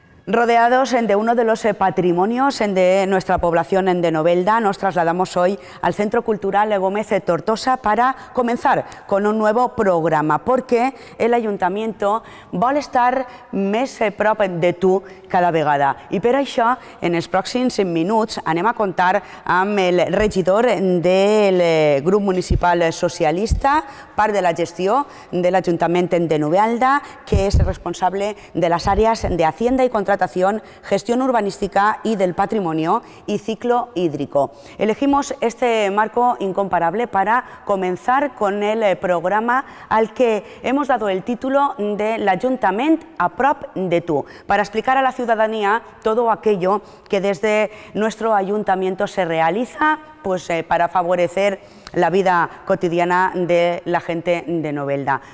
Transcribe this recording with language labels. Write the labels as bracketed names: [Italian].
[Spanish] Rodeados de uno de los patrimonios de nuestra población de Novelda, nos trasladamos hoy al Centro Cultural Gómez Tortosa para comenzar con un nuevo programa, porque el Ayuntamiento [Catalan] vol estar més a prop de tu cada vegada. I per això, en els pròxims minuts, anem a contar amb el regidor del grup municipal socialista, part de la gestió de l'Ajuntament de Novelda, que és responsable de les àrees de Hacienda i Contratació, [Spanish] gestión urbanística y del patrimonio y ciclo hídrico. Elegimos este marco incomparable para comenzar con el programa al que hemos dado el título de l'Ajuntament a prop de tu, para explicar a la ciudadanía todo aquello que desde nuestro ayuntamiento se realiza pues, para favorecer la vida cotidiana de la gente de Novelda.